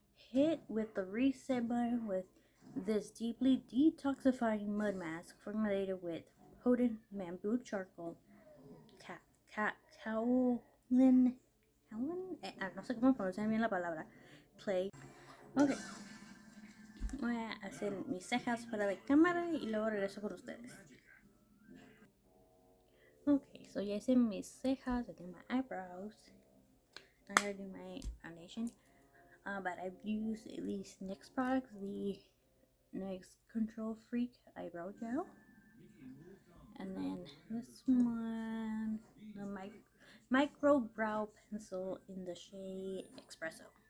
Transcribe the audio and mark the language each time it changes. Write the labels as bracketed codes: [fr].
[en] Hit with the reset button with this deeply detoxifying mud mask formulated with potent bamboo charcoal, kaolin. [es] No sé cómo pronunciar bien la palabra. Play. Okay, voy a hacer mis cejas fuera de cámara y luego regreso con ustedes. [en] Okay, so [es] ya hice mis cejas, [en] I did my eyebrows, I'm gonna do my foundation, but I've used these NYX products, the NYX Control Freak Eyebrow Gel, and then this one, the Micro Brow Pencil in the shade Espresso.